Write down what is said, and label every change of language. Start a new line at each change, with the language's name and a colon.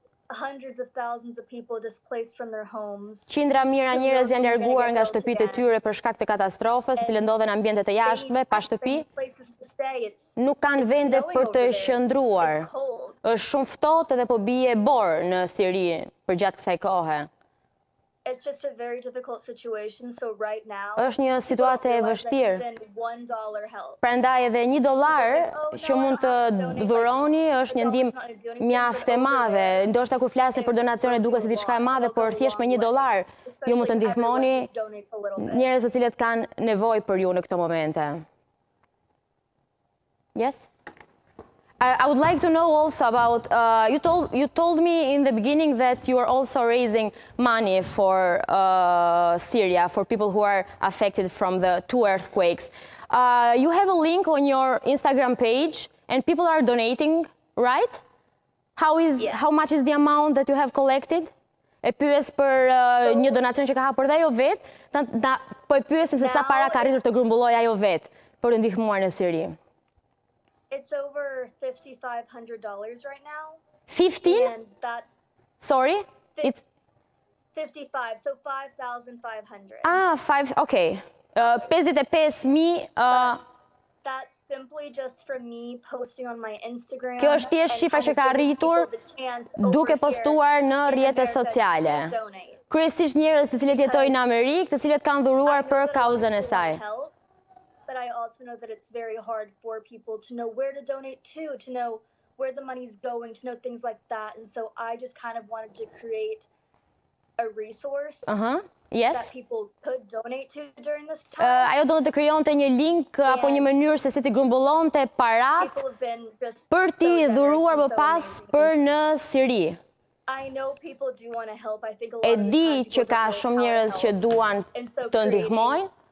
English: Hundreds of thousands of people displaced from their homes.
Albanian: Qindra mijëra njerëz janë larguar nga shtëpitë e tyre për shkak të katastrofës, cilë ndodhen në ambiente të jashtme, pa shtëpi. Nuk kanë vende për të qëndruar. Është shumë ftohtë dhe po bie borë në Siri për gjatë kësaj kohe.
English: It's just a very difficult situation, so right now.
Albanian: Është një situatë e vështirë. Prandaj edhe 1 dollar që mund të dhuroni është një ndihmë mjaft e madhe. Ndoshta kur flasni për donacione duket se diçka e madhe, por thjesht me 1 dollar ju mund të ndihmoni njerëz të cilët kanë nevojë për ju në këto momente.
English: Yes? I would like to know also about you told me in the beginning that you are also raising money for Syria for people who are affected from the two earthquakes. You have a link on your Instagram page and people are donating, right? How much is the amount that you have collected?
Albanian: E pyes për një donacion që ka hapur dhe ajo vet, po e pyesim se sa para ka arritur të grumbulloj ajo vet për të ndihmuar në Siri.
English: It's over $5,500 right now. 15? And that's... Sorry? It's 55, so 5,500. Ah, five, okay. 55,000. That's simply just for me posting on my Instagram.
Albanian: Kjo është thjesht shifra që ka arritur duke postuar në rrjete sociale. Kryesisht njerëz të cilët jetojnë në Amerikë, të cilët kanë dhuruar për kauzën e saj.
English: But I also know that it's very hard for people to know where to donate to know where the money's going, to know things like that. And so I just kind of wanted to create a resource Yes. that people could donate to during this time.
Albanian: Ajo do të krijonte një link and apo një mënyrë se si të grumbullonte parat për t'i dhuruar më pas për në Siri.
English: I know people do want to help. I think a lot
Albanian: e di që ka shumë njerëz që duan të ndihmojnë.